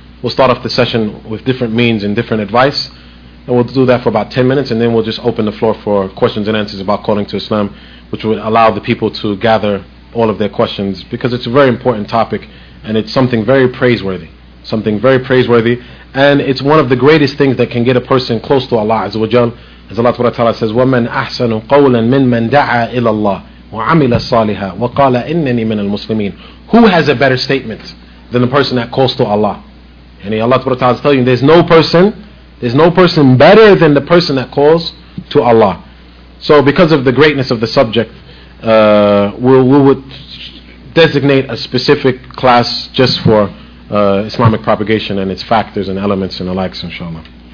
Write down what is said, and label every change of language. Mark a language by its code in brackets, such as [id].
[en] We'll start off the session with different means and different advice, and we'll do that for about 10 minutes, and then we'll just open the floor for questions and answers about calling to Islam, which would allow the people to gather all of their questions, because it's a very important topic. And it's something very praiseworthy. Something very praiseworthy. And it's one of the greatest things that can get a person close to Allah Azza wa Jal. As Allah Ta'ala says, [ar] وَمَنْ أَحْسَنُ قَوْلًا مِنْ مَنْ دَعَى إِلَى اللَّهِ وَعَمِلَ صَالِحًا وَقَالَ إِنَّنِي مِنَ الْمُسْلِمِينَ. [en] Who has a better statement than the person that calls to Allah? And Allah Ta'ala is telling you, there's no person better than the person that calls to Allah. So because of the greatness of the subject, we would designate a specific class just for Islamic propagation and its factors and elements and the likes, inshallah.